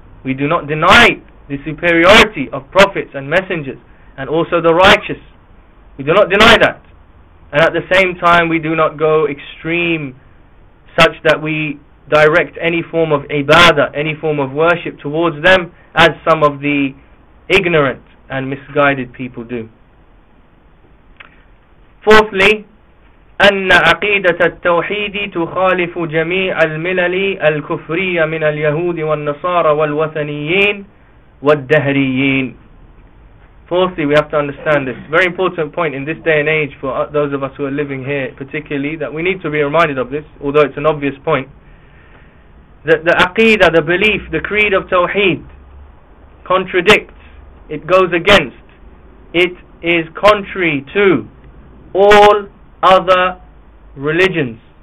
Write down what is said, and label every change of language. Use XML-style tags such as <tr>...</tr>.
<en>We do not deny the superiority of prophets and messengers and also the righteous. We do not deny that. And at the same time, we do not go extreme such that we direct any form of ibadah, any form of worship towards them, as some of the ignorant and misguided people do. Fourthly,</en> <ar>أن عقيدة التوحيد تخالف جميع الملل الكفرية من اليهود والنصارى والوثنيين والدهريين.</ar> <en>Fourthly, we have to understand this very important point in this day and age for those of us who are living here, particularly, that we need to be reminded of this, although it's an obvious point. That the aqeedah, the belief, the creed of Tawheed contradicts, it goes against, it is contrary to all other religions.</en>